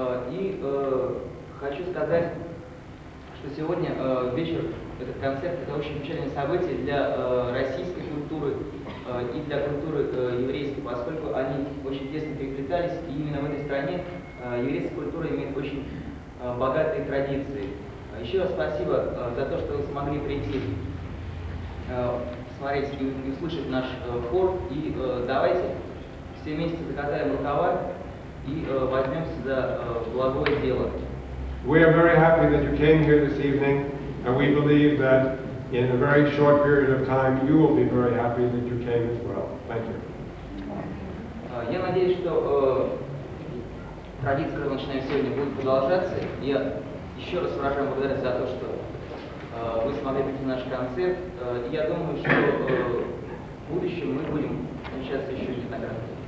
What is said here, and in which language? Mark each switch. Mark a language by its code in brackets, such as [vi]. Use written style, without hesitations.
[ru] И хочу сказать, что сегодня вечер, этот концерт, это очень печальное событие для российской культуры и для культуры еврейской, поскольку они очень тесно переплетались, и именно в этой стране еврейская культура имеет очень богатые традиции. Еще раз спасибо за то, что вы смогли прийти смотреть и услышать наш хор. И давайте все вместе закатаем рукава и возьмемся за благое дело. [en] We are very happy that you came here this evening, and we believe that in a very short period of time you will be very happy that you came as well. Thank you. [ru] Я надеюсь, что традиция, которую мы начинаем сегодня, будет продолжаться. Я еще раз выражаю благодарность за то, что вы смогли прийти на наш концерт. Я думаю, что в будущем мы будем встречаться еще неоднократно.